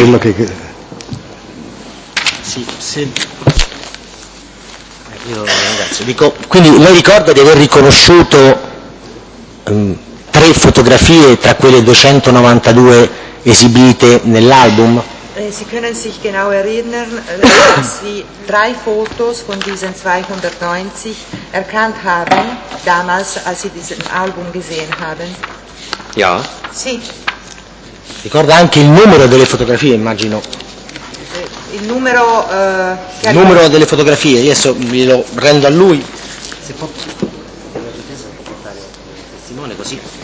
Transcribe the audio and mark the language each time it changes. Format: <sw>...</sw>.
<it>quello che... Sì, sì. Io ringrazio. Quindi lei ricorda di aver riconosciuto tre fotografie tra quelle 292 esibite nell'album?</it> <de>Sie können sich genau erinnern, dass Sie drei Fotos von diesen 290 erkannt haben, damals, als Sie diesen Album gesehen haben. Ja.</de> <it>Sì. Ricorda anche il numero delle fotografie, immagino. Il numero... Il numero delle fotografie, adesso glielo rendo a lui. Se può... Simone, così...</it>